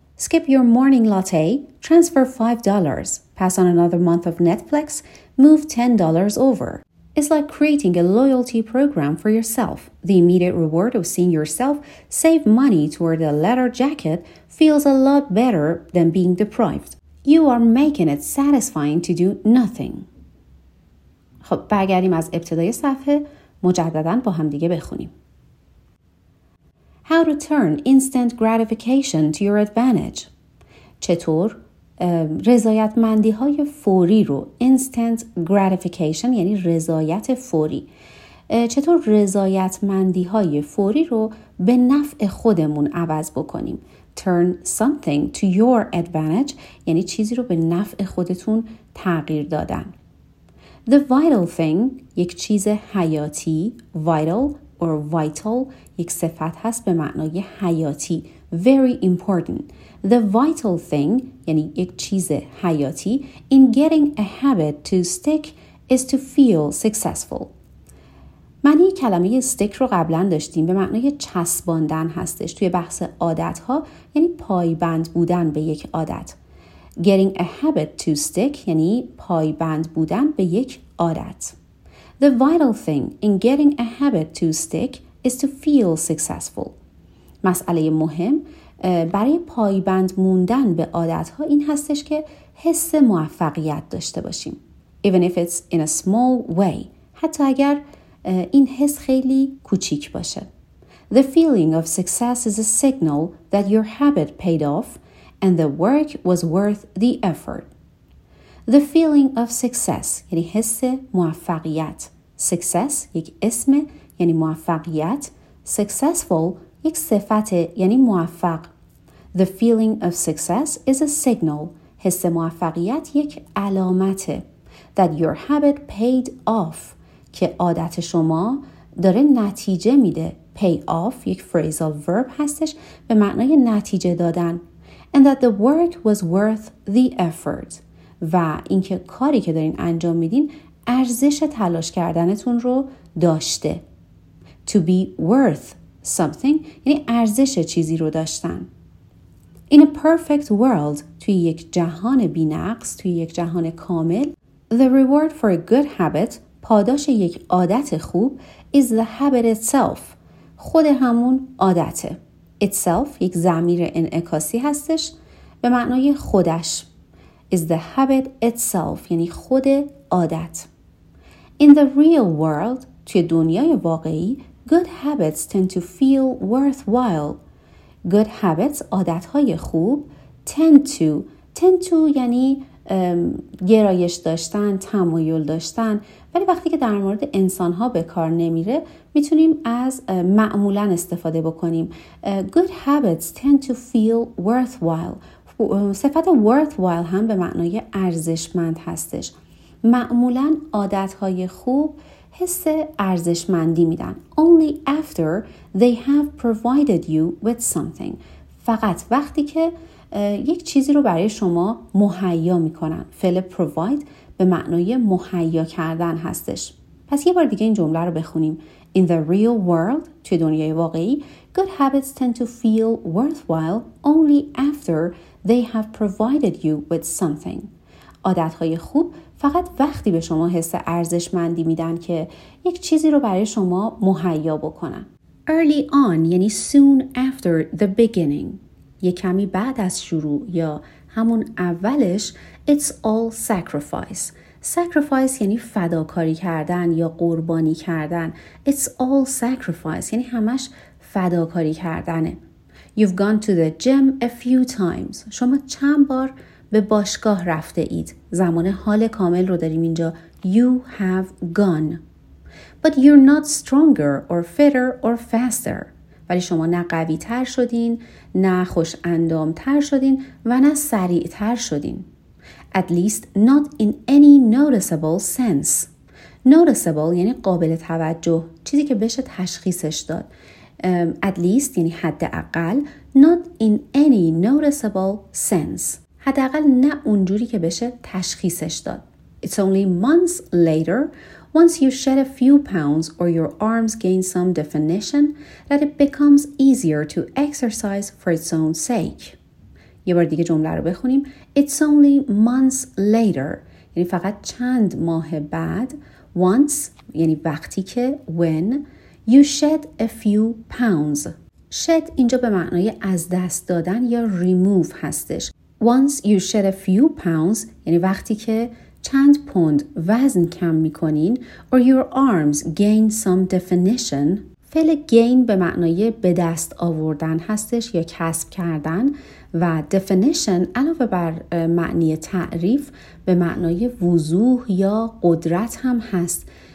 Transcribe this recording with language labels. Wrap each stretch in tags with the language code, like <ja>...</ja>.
<en>Skip your morning latte, transfer $5, pass on another month of Netflix, move $10 over. It's like creating a loyalty program for yourself. The immediate reward of seeing yourself save money toward a leather jacket feels a lot better than being deprived. You are making it satisfying to do nothing.</en> <fa>خب برگردیم از ابتدای صفحه مجدداً با هم دیگه بخونیم.</fa> <en>How to turn instant gratification to your advantage.</en> <fa>چطور؟ رضایتمندی های فوری رو</fa> <en>instant gratification</en> <fa>یعنی رضایت فوری چطور رضایتمندی های فوری رو به نفع خودمون عوض بکنیم</fa> <en>turn something to your advantage</en> <fa>یعنی چیزی رو به نفع خودتون تغییر دادن</fa> <en>the vital thing</en> <fa>یک چیز حیاتی</fa> <en>vital or vital</en> <fa>یک صفت هست به معنای حیاتی</fa> <en>very important The vital thing,</en> <fa>یعنی یک چیز حیاتی,</fa> <en>in getting a habit to stick is to feel successful.</en> <fa>معنی کلمه stick رو قبلا داشتیم به معنای چسباندن هستش. توی بحث عادت‌ها یعنی پایبند بودن به یک عادت.</fa> <en>Getting a habit to stick</en> <fa>یعنی پایبند بودن به یک عادت.</fa> <en>The vital thing in getting a habit to stick is to feel successful.</en> <fa>مسئله مهم، برای پایبند موندن به عادت‌ها این هستش که حس موفقیت داشته باشیم.</fa> <en>Even if it's in a small way.</en> <fa>حتی اگر این حس خیلی کوچیک باشه.</fa> <en>The feeling of success is a signal that your habit paid off and the work was worth the effort. The feeling of success</en> <fa>یعنی حس موفقیت. Success یک اسم یعنی موفقیت. Successful یک صفت یعنی موفق.</fa> <en>The feeling of success is a signal.</en> <fa>حس موفقیت یک علامته.</fa> <en>That your habit paid off.</en> <fa>که عادت شما داره نتیجه میده. pay off یک phrasal verb هستش به معنای نتیجه دادن.</fa> <en>And that the work was worth the effort.</en> <fa>و اینکه کاری که دارین انجام میدین ارزش تلاش کردنتون رو داشته.</fa> <en>To be worth something</en> <fa>یعنی ارزش چیزی رو داشتن.</fa> <en>In a perfect world</en> <fa>توی یک جهان بی‌نقص، توی یک جهان کامل،</fa> <en>the reward for a good habit</en> <fa>پاداش یک عادت خوب</fa> <en>is the habit itself.</en> <fa>خود همون عادته. Itself یک ضمیر انعکاسی هستش به معنای خودش.</fa> <en>Is the habit itself</en> <fa>یعنی خود عادت.</fa> <en>In the real world</en> <fa>توی دنیای واقعی</fa> <en>good habits tend to feel worthwhile. Good habits</en> <fa>عادت‌های خوب</fa> <en>tend to</en> <fa>یعنی گرایش داشتن، تمایل داشتن، ولی وقتی که در مورد انسان‌ها به کار نمیره میتونیم از معمولا استفاده بکنیم.</fa> <en>Good habits tend to feel worthwhile.</en> <fa>صفت worthwhile هم به معنای ارزشمند هستش. معمولا عادت‌های خوب حس ارزشمندی میدن.</fa> <en>Only after they have provided you with something.</en> <fa>فقط وقتی که یک چیزی رو برای شما مهیا میکنن. فعل provide به معنای مهیا کردن هستش. پس یه بار دیگه این جمله رو بخونیم.</fa> <en>In the real world,</en> <fa>توی دنیای واقعی,</fa> <en>good habits tend to feel worthwhile only after they have provided you with something.</en> <fa>عادت‌های خوب فقط وقتی به شما حس ارزشمندی میدن که یک چیزی رو برای شما مهیا بکنن.</fa> <en>Early on یعنی soon after the beginning.</en> <fa>یک کمی بعد از شروع یا همون اولش</fa> <en>it's all sacrifice.</en> <fa>Sacrifice یعنی فداکاری کردن یا قربانی کردن.</fa> <en>It's all sacrifice</en> <fa>یعنی همش فداکاری کردنه.</fa> <en>You've gone to the gym a few times.</en> <fa>شما چند بار به باشگاه رفته اید. زمان حال کامل رو داریم اینجا.</fa> <en>You have gone. But you're not stronger or fitter or faster.</en> <fa>ولی شما نه قوی تر شدین، نه خوش اندام تر شدین و نه سریع تر شدین.</fa> <en>At least not in any noticeable sense.</en> <fa>Noticeable یعنی قابل توجه، چیزی که بشه تشخیصش داد. At least یعنی حد اقل.</fa> <en>Not in any noticeable sense.</en> <fa>حداقل نه اونجوری که بشه تشخیصش داد.</fa> <en>It's only months later, once you shed a few pounds or your arms gain some definition, that it becomes easier to exercise for its own sake.</en> <fa>یه بار دیگه جمله رو بخونیم.</fa> <en>It's only months later,</en> <fa>یعنی فقط چند ماه بعد,</fa> <en>once,</en> <fa>یعنی وقتی که,</fa> <en>when, you shed a few pounds.</en> <fa>Shed اینجا به معنای از دست دادن یا remove هستش.</fa> <en>Once you shed a few pounds,</en> <fa>یعنی وقتی که چند پوند وزن کم میکنین,</fa> <en>or your arms gain some definition,</en> <fa>فعل gain به معنای به دست آوردن هستش یا کسب کردن, و definition علاوه بر معنی تعریف به معنای وضوح یا قدرت هم هست.</fa>